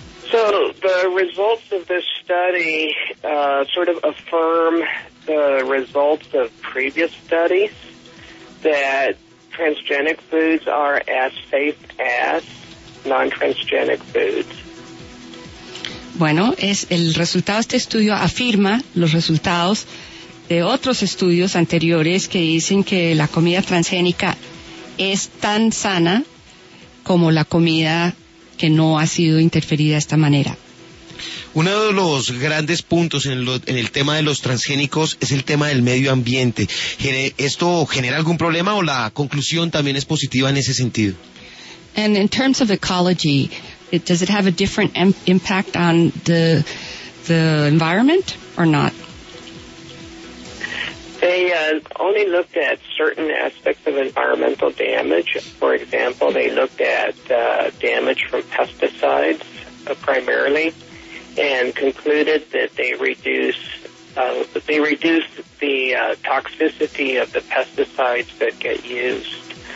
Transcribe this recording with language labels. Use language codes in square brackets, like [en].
[en] So the results of this study sort of affirm the results of previous studies that transgenic foods are as safe as non-transgenic foods. [es] Bueno, es el resultado de este estudio afirma los resultados de otros estudios anteriores que dicen que la comida transgénica es tan sana como la comida que no ha sido interferida de esta manera. Uno de los grandes puntos en el tema de los transgénicos es el tema del medio ambiente. ¿Esto genera algún problema o la conclusión también es positiva en ese sentido? [en] And in terms of ecology, does it have a different impact on the environment or not? They only looked at certain aspects of environmental damage. For example, they looked at damage from pesticides primarily, and concluded that they reduced the toxicity of the pesticides that get used.